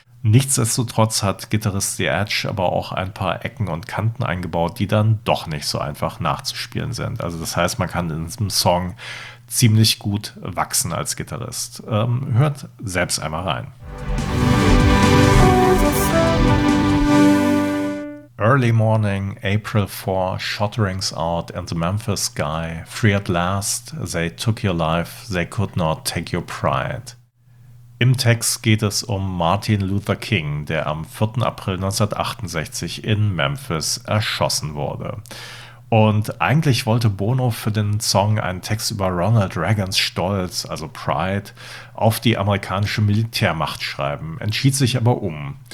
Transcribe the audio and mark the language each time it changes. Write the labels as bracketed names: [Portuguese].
[German] Nichtsdestotrotz hat Gitarrist The Edge aber auch ein paar Ecken und Kanten eingebaut, die dann doch nicht so einfach nachzuspielen sind. Also das heißt, man kann in diesem Song ziemlich gut wachsen als Gitarrist. Hört selbst einmal rein. [English] Early morning, April 4, shot rings out in the Memphis sky. Free at last, they took your life, they could not take your pride. [German] Im Text geht es um Martin Luther King, der am 4. April 1968 in Memphis erschossen wurde. Und eigentlich wollte Bono für den Song einen Text über Ronald Reagans Stolz, also Pride, auf die amerikanische Militärmacht schreiben, entschied sich aber um.